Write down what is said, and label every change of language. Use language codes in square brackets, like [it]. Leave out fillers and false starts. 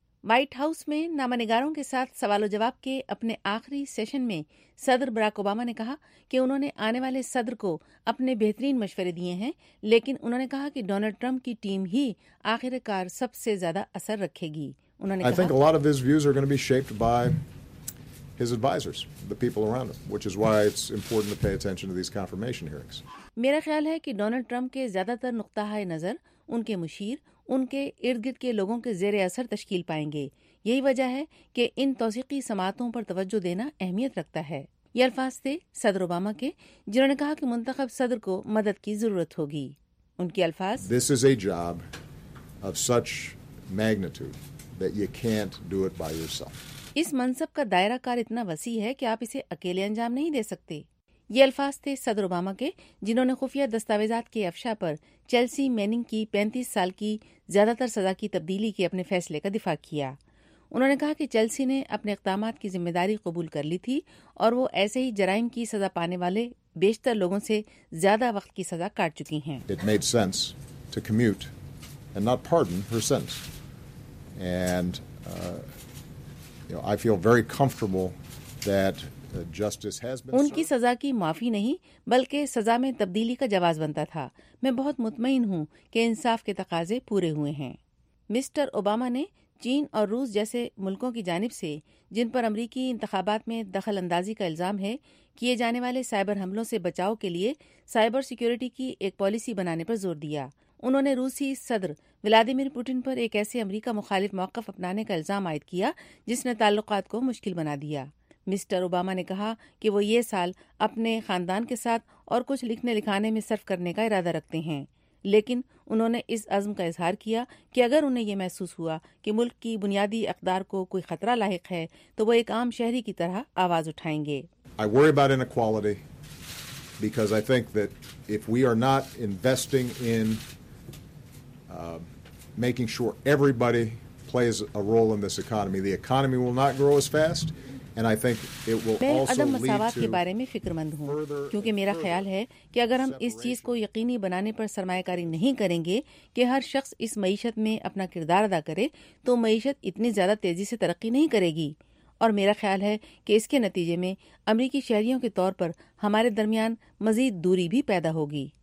[ur] White house میں نامہ نگاروں کے ساتھ سوال و جواب کے اپنے آخری سیشن میں صدر براک اوباما نے کہا کہ انہوں نے آنے والے صدر کو اپنے بہترین مشورے دیے ہیں، لیکن انہوں نے کہا کہ ڈونلڈ ٹرمپ کی ٹیم ہی آخر کار سب سے زیادہ اثر رکھے گی۔ انہوں نے کہا [en] I think a lot of his views are going to be shaped by his advisors, the people around him, which is why it's important to pay attention to these confirmation hearings. [ur] میرا خیال ہے کہ Donald Trump کے زیادہ تر نقطہ نظر ان کے مشیر، ان کے ارد گرد کے لوگوں کے زیر اثر تشکیل پائیں گے۔ یہی وجہ ہے کہ ان توثیقی سماعتوں پر توجہ دینا اہمیت رکھتا ہے۔ یہ الفاظ تھے صدر اوباما کے، جنہوں نے کہا کہ منتخب صدر کو مدد کی ضرورت ہوگی۔ ان کے الفاظ، [en] This is a job of such magnitude that you can't do it by yourself. [ur] اس منصب کا دائرہ کار اتنا وسیع ہے کہ آپ اسے اکیلے انجام نہیں دے سکتے۔ یہ الفاظ تھے صدر اوباما کے، جنہوں نے خفیہ دستاویزات کے افشا پر چیلسی مینننگ کی 35 سال کی زیادہ تر سزا کی تبدیلی کے اپنے فیصلے کا دفاع کیا۔ انہوں نے کہا کہ چیلسی نے اپنے اقدامات کی ذمہ داری قبول کر لی تھی اور وہ ایسے ہی جرائم کی سزا پانے والے بیشتر لوگوں سے زیادہ وقت کی سزا کاٹ چکی ہیں۔ [en] It made sense to commute and not pardon her sentence. And I feel very comfortable that [ur] ان کی سزا کی معافی نہیں بلکہ سزا میں تبدیلی کا جواز بنتا تھا۔ میں بہت مطمئن ہوں کہ انصاف کے تقاضے پورے ہوئے ہیں۔ مسٹر اوباما نے چین اور روس جیسے ملکوں کی جانب سے، جن پر امریکی انتخابات میں دخل اندازی کا الزام ہے، کیے جانے والے سائبر حملوں سے بچاؤ کے لیے سائبر سیکیورٹی کی ایک پالیسی بنانے پر زور دیا۔ انہوں نے روسی صدر ولادیمیر پوٹن پر ایک ایسے امریکہ مخالف موقف اپنانے کا الزام عائد کیا جس نے تعلقات کو مشکل بنا دیا۔ مسٹر اوباما نے کہا کہ وہ یہ سال اپنے خاندان کے ساتھ اور کچھ لکھنے لکھانے میں صرف کرنے کا ارادہ رکھتے ہیں۔ لیکن انہوں نے اس عزم کا اظہار کیا کہ اگر انہیں یہ محسوس ہوا کہ ملک کی بنیادی اقدار کو کوئی خطرہ لاحق ہے تو وہ ایک عام شہری کی طرح آواز اٹھائیں گے. [en] I worry about inequality because I think that if we are not investing in making sure everybody plays a role in this economy, the economy will not grow as fast. [ur] میں عدم مساوات کے بارے میں فکر مند ہوں کیونکہ میرا خیال ہے کہ اگر ہم اس چیز کو یقینی بنانے پر سرمایہ کاری نہیں کریں گے کہ ہر شخص اس معیشت میں اپنا کردار ادا کرے تو معیشت اتنی زیادہ تیزی سے ترقی نہیں کرے گی. اور میرا خیال ہے کہ اس کے نتیجے میں امریکی شہریوں کے طور پر ہمارے درمیان مزید دوری بھی پیدا ہوگی.